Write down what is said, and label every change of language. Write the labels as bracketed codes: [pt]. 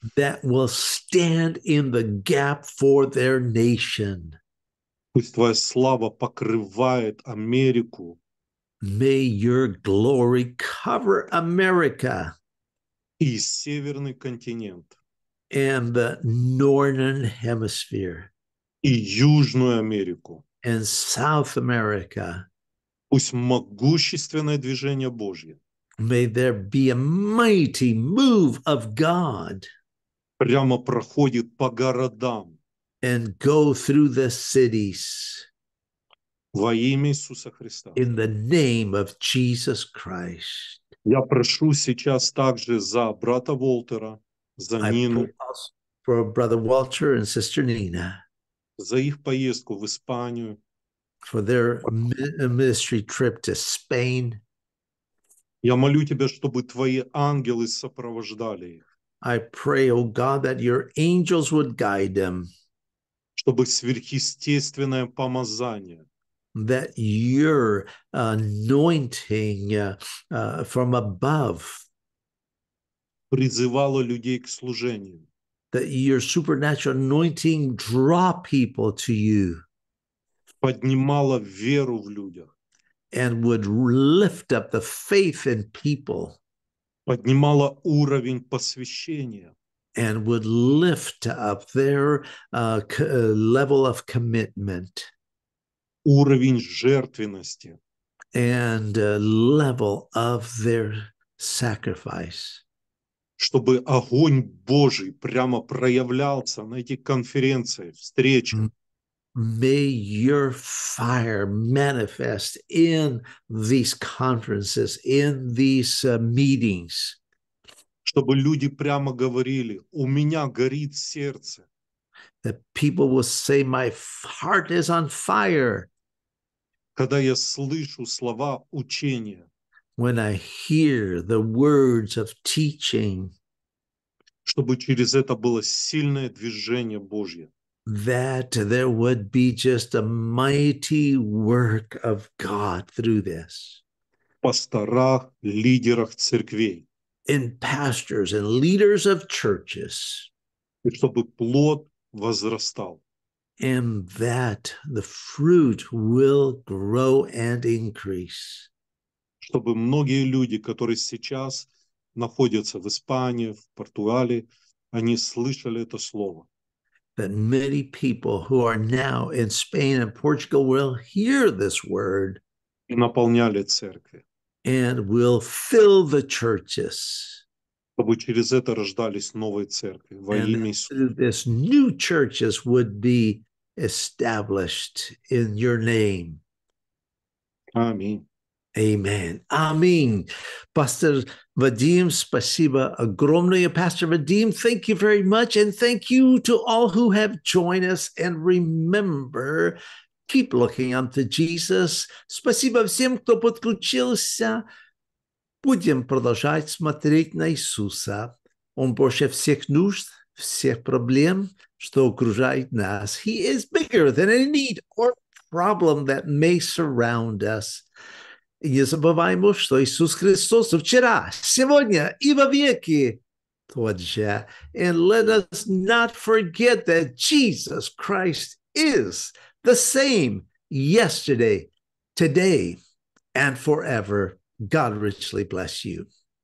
[en] That will stand in the gap for their nation. [ru] Пусть твоя слава покрывает Америку. [en] May your glory cover America. [ru] И северный континент. [en] And the northern hemisphere. [ru] И южную Америку. [en] And South America. [ru] Пусть могущественное движение Божье. [en] May there be a mighty move of God. [ru] Прямо проходит по городам. [en] And go through the cities. [ru] Во имя Иисуса Христа. [en] In the name of Jesus Christ. [ru] Я прошу сейчас также за брата Волтера, за Нину. [en] For brother Walter and sister Nina. [ru] За их поездку в Испанию. [en] For their ministry trip to Spain. [ru] Я молю тебя, чтобы твои ангелы сопровождали их. [en] I pray, O God, that your angels would guide them. [ru] Чтобы сверхъестественное помазание. [en] That your anointing from above. [ru] Призывало людей к служению. [en] That your supernatural anointing draw people to you. [ru] Поднимало веру в людях. [en] And would lift up the faith in people. [ru] Поднимало уровень посвящения. [en] And would lift up their level of commitment. [ru] Уровень жертвенности. [en] And level of their sacrifice. [ru] Чтобы огонь Божий прямо проявлялся на этих конференциях, встречах. [en] May your fire manifest in these conferences, in these meetings. [ru] Чтобы люди прямо говорили, у меня горит сердце. [en] That people will say, my heart is on fire. [ru] Когда я слышу слова учения. [en] When I hear the words of teaching. [ru] Чтобы через это было сильное движение Божье. [en] That there would be just a mighty work of God through this. [ru] Пасторах, лидерах церквей. [en] In pastors and leaders of churches. [ru] И чтобы плод возрастал. [en] And that the fruit will grow and increase. [ru] Чтобы многие люди, которые сейчас находятся в Испании, в Португалии, они слышали это слово. [en] That many people who are now in Spain and Portugal will hear this word. [ru] И наполняли церкви. [en] And will fill the churches. [ru] Чтобы через это рождались новые церкви. Во [en] and [ru] имя Иисуса. [en] Through this new churches would be established in your name. [ru] Аминь. [en] Amen. Amen. Pastor Vadim, [ru] спасибо огромное. [en] Pastor Vadim, thank you very much. And thank you to all who have joined us. And remember, keep looking unto Jesus. [ru] Спасибо всем, кто подключился. Будем продолжать смотреть на Иисуса. Он больше всех нужд, всех проблем, что окружает нас. [en] He is bigger than any need or problem that may surround us. [ru] И не забываем, что Иисус Христос вчера, сегодня и во веки тот же. [en] And let us not forget that Jesus Christ is the same yesterday, today, and forever. God richly bless you.